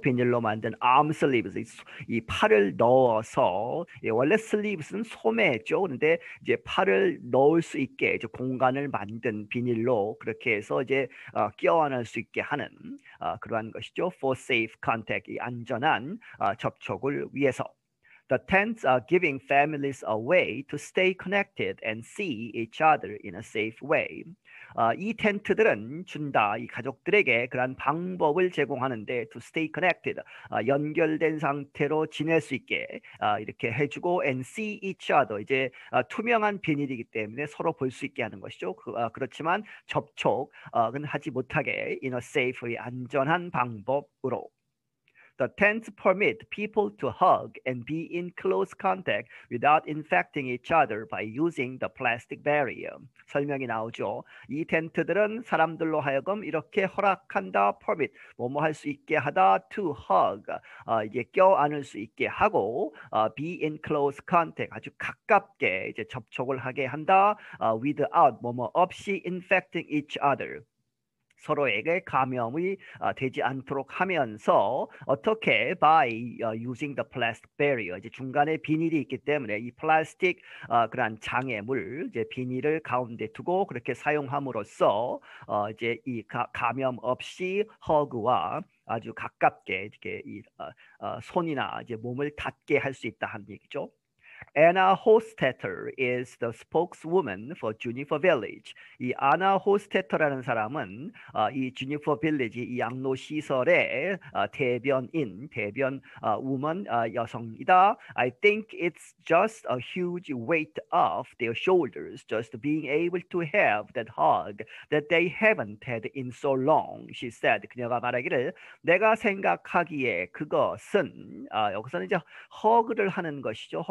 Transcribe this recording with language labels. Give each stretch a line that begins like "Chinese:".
Korean: 비닐로 만든 arm sleeves. 이 팔을 넣어서 예, 원래 sleeves는 소매죠. 그런데 이제 팔을 넣을 수 있게 이제 공간을 만든 비닐로 그렇게 해서 이제 껴안을 수 있게 하는 그러한 것이죠.
English: For safe contact.
Korean: 이 안전한 접촉을 위해서.
English: The tents are giving families a way to stay connected and see each other in a safe way.
Korean: 이 텐트들은 준다. 이 가족들에게 그런 방법을 제공하는데
English: to stay connected.
Korean: 연결된 상태로 지낼 수 있게 이렇게 해주고
English: and see each other.
Korean: 이제 투명한 비닐이기 때문에 서로 볼 수 있게 하는 것이죠. 그렇지만 접촉은 하지 못하게
English: in a safe way,
Korean: 안전한 방법으로.
English: The tents permit people to hug and be in close contact without infecting each other by using the plastic barrier.
Korean: 설명이 나오죠. 이 텐트들은 사람들로 하여금 이렇게 허락한다. Permit, 뭐뭐 할 수 있게 하다. To hug, 이제 껴안을 수 있게 하고
English: be in close contact,
Korean: 아주 가깝게 이제 접촉을 하게 한다.
English: Without,
Korean: 뭐뭐 없이
English: infecting each other.
Korean: 서로에게 감염이 되지 않도록 하면서 어떻게
English: by using the plastic barrier
Korean: 이제 중간에 비닐이 있기 때문에 이 플라스틱 그런 장애물 이제 비닐을 가운데 두고 그렇게 사용함으로써 이제 이 감염 없이 허그와 아주 가깝게 이렇게 이 손이나 이제 몸을 닿게 할 수 있다 하는 얘기죠.
English: Anna Hostetter is the spokeswoman for Juniper Village.
Korean: 이 Anna Hostetter라는 사람은 이 Juniper Village 이 양로 시설의 대변인, 대변 woman 여성이다.
English: I think it's just a huge weight off their shoulders just being able to have that hug that they haven't had in so long. She said
Korean: 그녀가 말하기를 내가 생각하기에 그것은 여기서는 이제 허그를 하는 것이죠.